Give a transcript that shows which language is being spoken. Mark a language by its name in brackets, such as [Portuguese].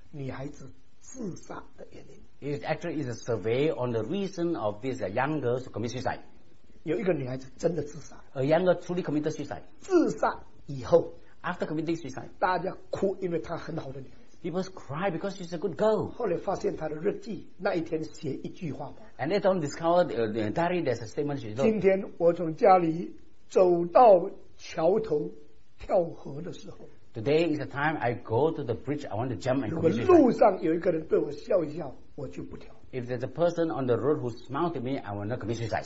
[Chinese] 那是专门调查少年女孩子自杀的原因。 [English] It actually is a survey on the reason of these young girls to commit suicide. [Chinese] 有一个女孩子真的自杀, [English] a young girl truly committed suicide. [Chinese] 自杀以后, [English] after committing suicide, [Chinese] 大家哭因为她很好的女孩子, [English] people cry because she's a good girl. [Chinese] 后来发现她的日记, 那一天写一句话, [English] and later on discovered the diary, there's a statement she wrote. [Chinese] 今天我从家里走到桥头跳河的时候, [English] today is the time I go to the bridge, I want to jump and commit suicide. [Chinese] 如果路上有一个人对我笑一笑, [English] if there's a person on the road who smiled at me, I will not commit suicide.